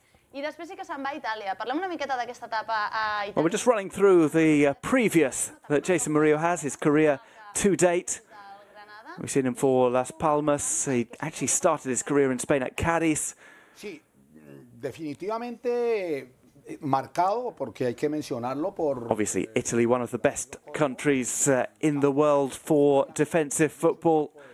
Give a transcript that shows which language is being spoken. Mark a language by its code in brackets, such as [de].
[ca] I després sí que se'n va a Itàlia. Parlem una miqueta d'aquesta etapa a Itàlia. [en] Well, we're just running through the previous that Jason Murillo has, his career to date. We've seen him for Las Palmas. He actually started his career in Spain at Cádiz. [es] Sí, definitivamente marcado, porque hay que mencionarlo por... [en] Obviously, Italy, one of the best countries in the world for defensive football.